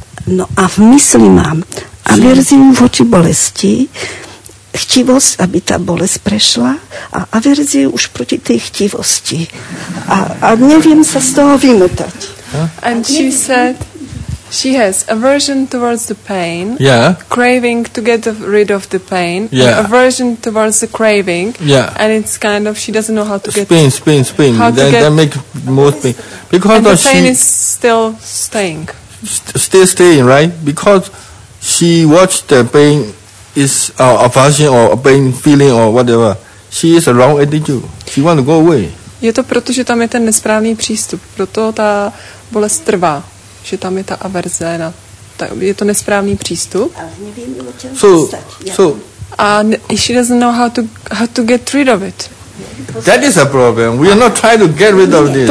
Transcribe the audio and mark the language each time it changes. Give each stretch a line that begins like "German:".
Slovak: No a v mysli mám averziu voči bolesti, chtivosť, aby tá bolesť prešla, a averziu už proti tej chtivosti. A neviem sa z toho vymotať. Huh?
English: And she said, she has aversion towards the pain, yeah, craving to get rid of the pain, yeah, and aversion towards the craving, yeah, and it's kind of, she doesn't know how to get... Spin. That makes more pain. Because and the pain is still staying. Still staying, right? Because she watched the pain is aversion or pain feeling or whatever. She is a wrong attitude. She want to go away.
Czech: Je to proto, že tam je ten nesprávný přístup. Proto ta bolest trvá. Že tam je ta averze. Je to nesprávný přístup.
English: So, she doesn't know how to get rid of it. That is a problem. We are not trying to get rid of this.